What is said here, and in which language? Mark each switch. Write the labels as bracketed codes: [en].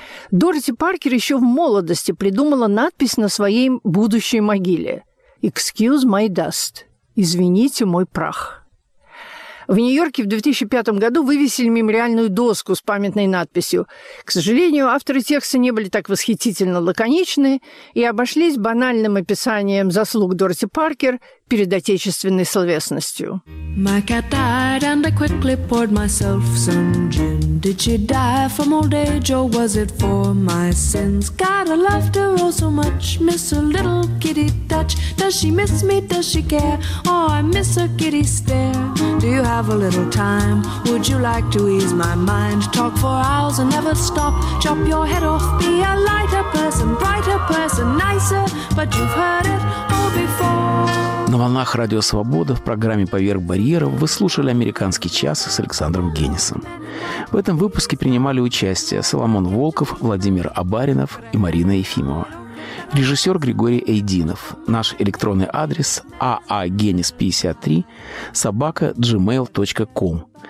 [ru] Дороти Паркер еще в молодости придумала надпись на своей будущей могиле [en] «Excuse my dust» [ru] – «Извините мой прах». В Нью-Йорке в 2005 году вывесили мемориальную доску с памятной надписью. К сожалению, авторы текста не были так восхитительно лаконичны и обошлись банальным описанием заслуг Дороти Паркер перед отечественной словесностью. [en] My cat died and I quickly poured myself some gin. Did she die from old age or was it for my sins? God, I loved her oh so much, miss her little kitty touch. Does she miss me, does she care? Oh, I miss her kitty stare. Do you have a little time? Would you like to ease my mind? Talk for hours and never stop. Chop your head off, be a lighter person, brighter person, nicer. But you've heard it all before. [ru] На волнах «Радио Свобода» в программе «Поверх барьеров» вы слушали «Американский час» с Александром Геннисом. В этом выпуске принимали участие Соломон Волков, Владимир Абаринов и Марина Ефимова. Режиссер Григорий Эйдинов. Наш электронный адрес – aagenis53@gmail.com.